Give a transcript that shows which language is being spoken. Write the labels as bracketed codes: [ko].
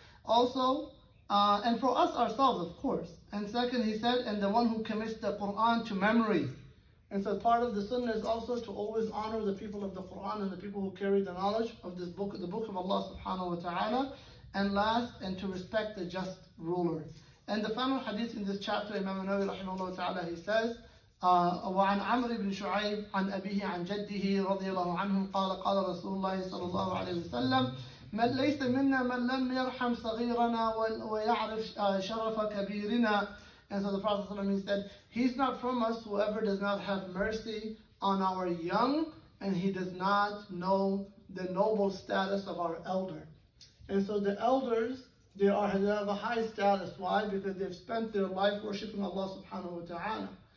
[en] Also, and for us ourselves, of course. And second, he said, and the one who commits the Quran to memory. And so part of the sunnah is also to always honor the people of the Quran and the people who carry the knowledge of this book, the book of Allah subhanahu wa ta'ala. And last, and to respect the just ruler. And the final hadith in this chapter, Imam An-Nawawi rahimahullah ta'ala, he says, [ar] وعن عمرو بن شعيب عن أبيه عن جده رضي الله عنه قال قال رسول الله صلى الله عليه وسلم من ليس منا من لم يرحم صغيرنا ويعرف شرف كبيرنا. [en] And so the Prophet ﷺ, he said, he's not from us whoever does not have mercy on our young and he does not know the noble status of our elder. And so the elders, they have a high status. Why? Because they've spent their life worshiping Allah subhanahu wa ta'ala.